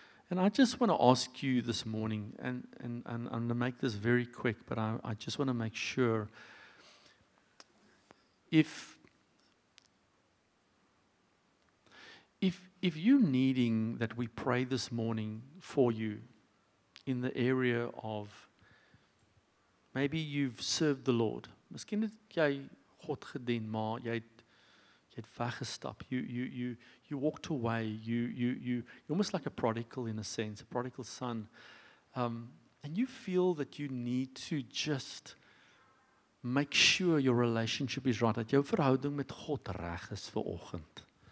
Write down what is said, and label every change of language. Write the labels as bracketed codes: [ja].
[en] And I just want to ask you this morning, and I'm going to make this very quick, but I just want to make sure, if you're needing that we pray this morning for you in the area of, maybe you've served the Lord. [af] Miskien het jy God gedien, maar jy het weggestap. [en] You walked away. You're almost like a prodigal in a sense, a prodigal son. And you feel that you need to just Make sure your relationship is right, [af] dat jou verhouding met God reg is vir oggend.